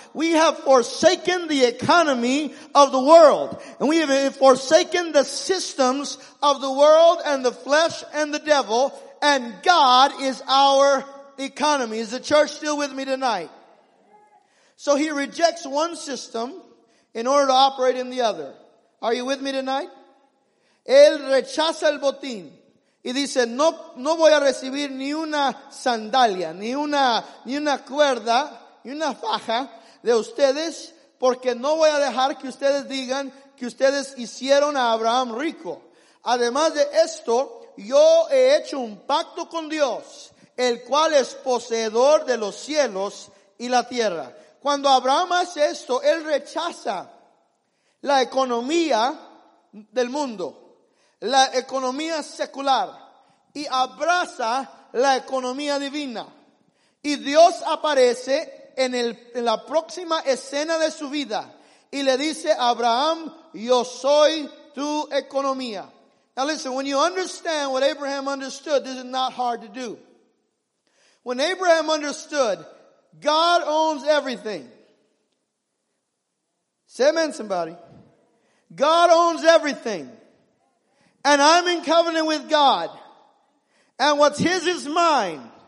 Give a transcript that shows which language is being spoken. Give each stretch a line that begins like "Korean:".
English: We have forsaken the economy of the world, and we have forsaken the systems of the world and the flesh and the devil, and God is our economy. Is the church still with me tonight? So he rejects one system in order to operate in the other. Are you with me tonight?
Spanish: Él rechaza el botín. Y dice, no voy a recibir ni una sandalia, ni una cuerda, ni una faja de ustedes, porque no voy a dejar que ustedes digan que ustedes hicieron a Abraham rico. Además de esto, yo he hecho un pacto con Dios, el cual es poseedor de los cielos y la tierra. Cuando Abraham hace esto, él rechaza la economía del mundo, la economía secular, y abraza la economía divina. Y Dios aparece en la próxima escena de su vida y le dice a Abraham, yo soy tu economía.
English: Now listen, when you understand what Abraham understood, this is not hard to do. When Abraham understood, God owns everything. Say amen, somebody. God owns everything. And I'm in covenant with God. And what's his is mine.